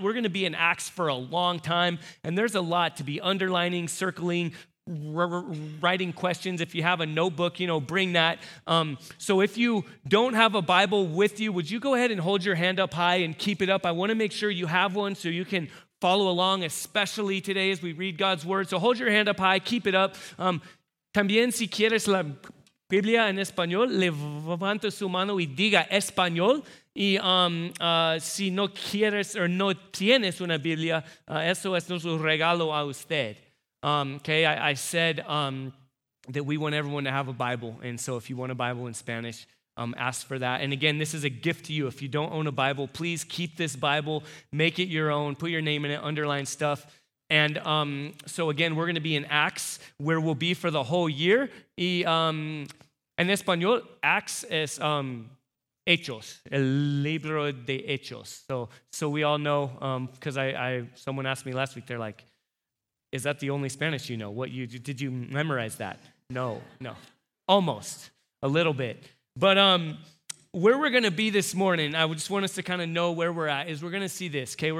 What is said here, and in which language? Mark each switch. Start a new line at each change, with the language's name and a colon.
English: We're going to be in Acts for a long time, and there's a lot to be underlining, circling, writing questions. If you have a notebook, you know, bring that. So if you don't have a Bible with you, would you go ahead and hold your hand up high and keep it up? I want to make sure you have one so you can follow along, especially today as we read God's word. So hold your hand up high, keep it up.
Spanish: También si quieres la Biblia en español, levanta su mano y diga español. Y si no quieres o no tienes una Biblia, eso es nuestro regalo a usted.
English: Okay, I said that we want everyone to have a Bible. And so if you want a Bible in Spanish, ask for that. And again, this is a gift to you. If you don't own a Bible, please keep this Bible, make it your own, put your name in it, underline stuff. And so again, we're going to be in Acts, where we'll be for the whole year.
Spanish: Y en español, Acts es Hechos, el libro de Hechos.
English: So we all know, because someone asked me last week, they're like, is that the only Spanish you know? What, you did you memorize that? No. Almost. A little bit. But where we're going to be this morning, I just want us to kind of know where we're at, is we're going to see this, okay?